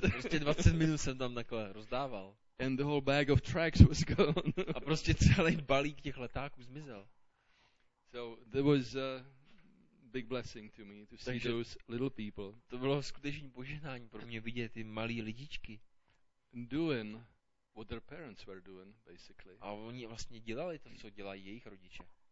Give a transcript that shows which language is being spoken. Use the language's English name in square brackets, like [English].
[Czech] Prostě 20 minut jsem tam takhle rozdával. [English] And the whole bag of tracks was gone. [Czech] A prostě celý balík těch letáků zmizel. [English] So there was big blessing to me to see those little people. [Czech] To bylo skutečný požehnání pro mě vidět ty malí lidičky. [English] Doing what their parents were doing, basically. [Czech] A oni vlastně dělali to, co dělají jejich rodiče.